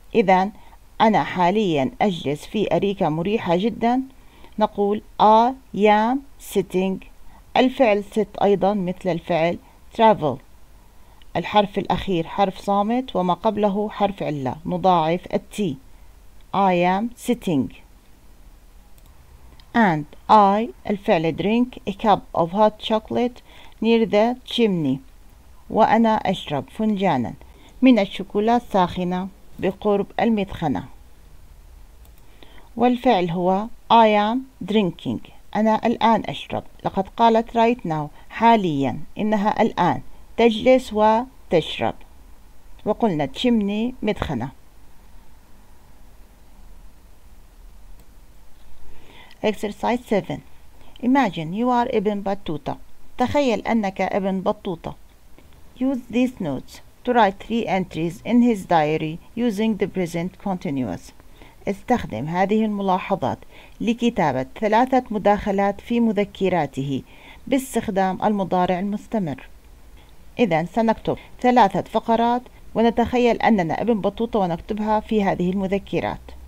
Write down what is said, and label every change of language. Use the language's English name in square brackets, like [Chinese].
[Arabic] إذا أنا حاليا أجلس في أريكة مريحة جدا. نقول [English] I am sitting. [Arabic] الفعل sit أيضا مثل الفعل travel. الحرف الأخير حرف صامت وما قبله حرف علة، نضاعف التي [English] I am sitting. And I [Arabic] الفعل [English] drink a cup of hot chocolate near the chimney. [Arabic] وأنا أشرب فنجانا من الشوكولاتة الساخنة بقرب المدخنة. والفعل هو [English] I am drinking. [Arabic] أنا الآن أشرب. لقد قالت [English] right now [Arabic] حاليا. إنها الآن تجلس وتشرب. وقلنا chimney مدخنة. [English] Exercise 7. Imagine you are ابن بطوطة. [Arabic] تخيل أنك ابن بطوطة. [English] Use these notes to write 3 entries in his diary using the present continuous. [Arabic] استخدم هذه الملاحظات لكتابة 3 مداخلات في مذكراته باستخدام المضارع المستمر. إذن سنكتب 3 فقرات ونتخيل أننا ابن بطوطة ونكتبها في هذه المذكرات.